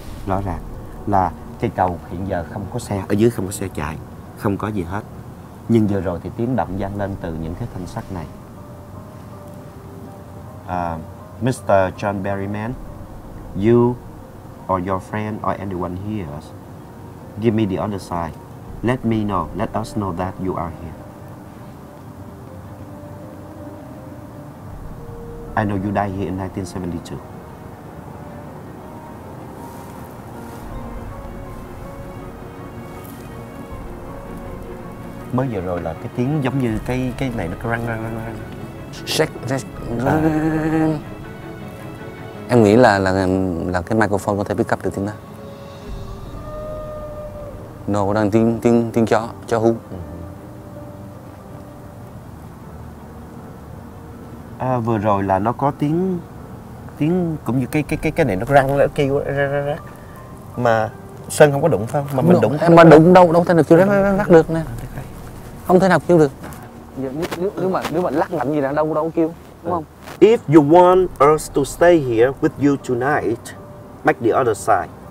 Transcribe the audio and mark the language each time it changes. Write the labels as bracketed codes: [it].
[vi] Rõ ràng là cây cầu hiện giờ không có xe, ở dưới không có xe chạy, không có gì hết. Nhưng vừa rồi thì tiếng động vang lên từ những cái thanh sắt này. [en] Mr. John Berryman, you or your friend or anyone here, give me the other side. Let me know, let us know that you are here. I know you died here in 1972. [vi] Mới vừa rồi là cái tiếng giống như cái này nó cứ răng. Em nghĩ là cái microphone có thể [en] pick up [vi] được tiếng đó. Nó có đang tiếng chó hú. Vừa rồi là nó có tiếng cũng như cái này nó răng nó kêu rắc. Mà Sơn không có đụng phải không? Mà mình đụng. Mà đụng đâu thể nào kêu rắc được nè. Không thể nào kêu được. Nếu mà lắc mạnh gì là đâu kêu, đúng không? [en] If you want us to stay here with you tonight, make the other side.